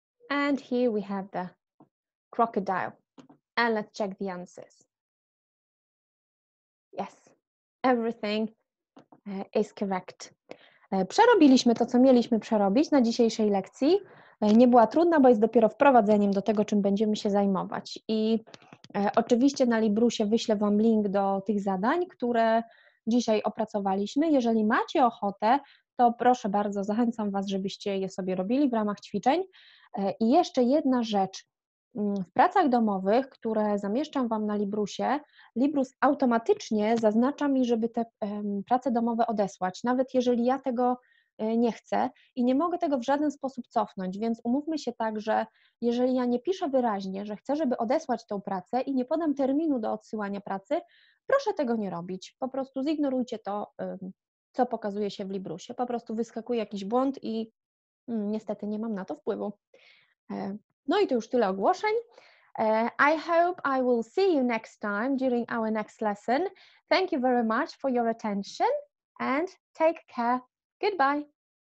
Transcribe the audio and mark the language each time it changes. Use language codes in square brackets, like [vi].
[en] And here we have the crocodile. And let's check the answers. Yes, everything is correct. [pl] Przerobiliśmy to, co mieliśmy przerobić na dzisiejszej lekcji. Nie była trudna, bo jest dopiero wprowadzeniem do tego, czym będziemy się zajmować. I oczywiście na Librusie wyślę Wam link do tych zadań, które dzisiaj opracowaliśmy. Jeżeli macie ochotę, to proszę bardzo, zachęcam Was, żebyście je sobie robili w ramach ćwiczeń. I jeszcze jedna rzecz. W pracach domowych, które zamieszczam Wam na Librusie, Librus automatycznie zaznacza mi, żeby te prace domowe odesłać. Nawet jeżeli ja tego nie chcę i nie mogę tego w żaden sposób cofnąć, więc umówmy się tak, że jeżeli ja nie piszę wyraźnie, że chcę, żeby odesłać tę pracę i nie podam terminu do odsyłania pracy, proszę tego nie robić. Po prostu zignorujcie to, co pokazuje się w Librusie. Po prostu wyskakuje jakiś błąd i niestety nie mam na to wpływu. No i to już tyle ogłoszeń. [en] I hope I will see you next time during our next lesson. Thank you very much for your attention and take care. Goodbye.